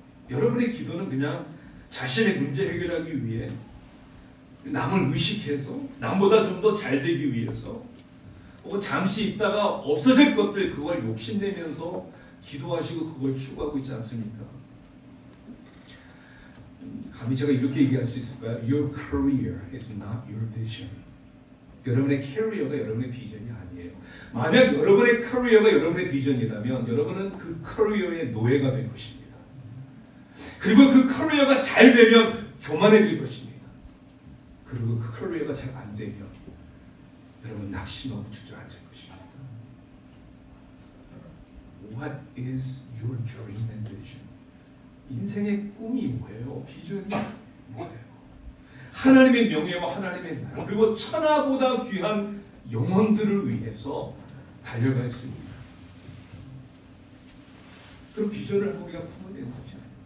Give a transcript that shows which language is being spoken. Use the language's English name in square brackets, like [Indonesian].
[Korean] 여러분의 기도는 그냥 자신의 문제 해결하기 위해 남을 의식해서 남보다 좀 더 잘 되기 위해서 혹은 잠시 있다가 없어질 것들 그걸 욕심내면서 기도하시고 그걸 추구하고 있지 않습니까? 감히 제가 이렇게 얘기할 수 있을까요? [English] Your career is not your vision. [Korean] 여러분의 커리어가 여러분의 비전이 아니에요. 만약 여러분의 커리어가 여러분의 비전이라면 여러분은 그 커리어의 노예가 될 것입니다. 그리고 그 커리어가 잘 되면 교만해질 것입니다. 그리고 그 컬러웨어가 잘 안 되면 여러분 낙심하고 주저앉을 것입니다. [English] What is your dream and vision? [Korean] 인생의 꿈이 뭐예요? 비전이 뭐예요? 하나님의 명예와 하나님의 나라 그리고 천하보다 귀한 영혼들을 위해서 달려갈 수 있는 그런 비전을 우리가 품어야 되는 거죠.